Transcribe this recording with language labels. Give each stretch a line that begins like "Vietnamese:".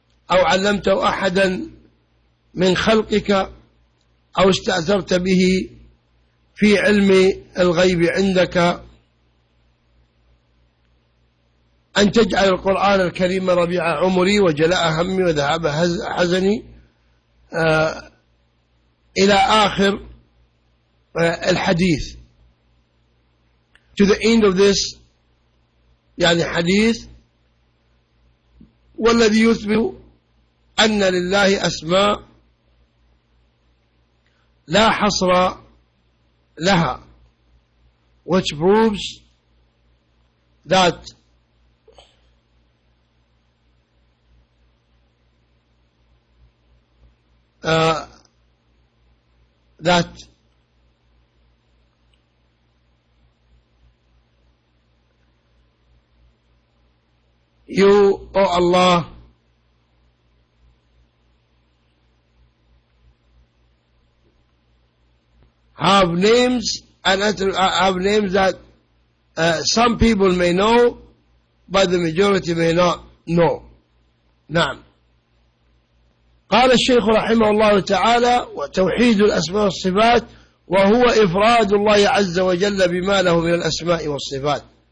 Arabic: أو علمت أحدا من خلقك أو استأثرت به في علم الغيب عندك أن تجعل القرآن الكريم ربيع عمري وجلاء همي وذهاب حزني إلى آخر الحديث.
English: To the end of this
Arabic: يعني
English: حديث.
Arabic: والذي يثبت أن لله أسماء لا حصر لها,
English: which proves that that you, O Allah, have names and have names that some people may know, but the majority may not know.
Arabic: نعم. قال الشيخ رحمه الله تعالى: وتوحيد الأسماء والصفات وهو إفراد الله عز وجل بما له من الأسماء والصفات.